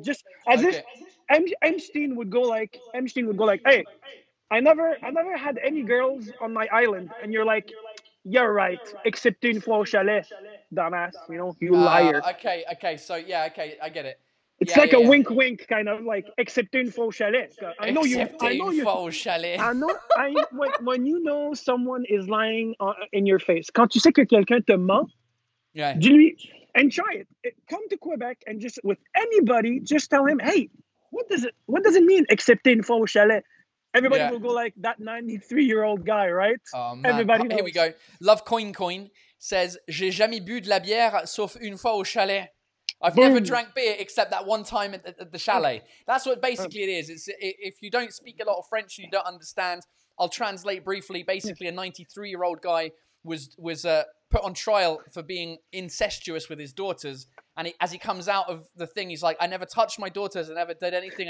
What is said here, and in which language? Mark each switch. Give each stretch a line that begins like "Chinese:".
English: Just as if Einstein would go like, hey, I never had any girls on my island, and you're like, You're right, except
French: une fois au chalet,
English: dumbass, you know, you liar. Okay, so yeah, okay, I get it. It's like a wink, wink, kind of like, except
French: une fois au chalet. Except une fois au chalet.
English: When you know someone is lying in your face,
French: quand tu sais que quelqu'un te ment, dis-lui,
English: and try it. Come to Quebec and just, with anybody, just tell him, hey, what does it mean, except
French: une fois au chalet?
English: Everybody will go like that 93-year-old guy, right? Oh, man. Everybody knows. Here we go.
French: Love Coin Coin says, j'ai jamais bu de la bière sauf une fois au chalet.
English: I've never drank beer except that one time at the chalet. That's what basically it is. It's, if you don't speak a lot of French and you don't understand, I'll translate briefly. Basically, a 93-year-old guy was put on trial for being incestuous with his daughters. And as he comes out of the thing, he's like, I never touched my daughters. I never did anything.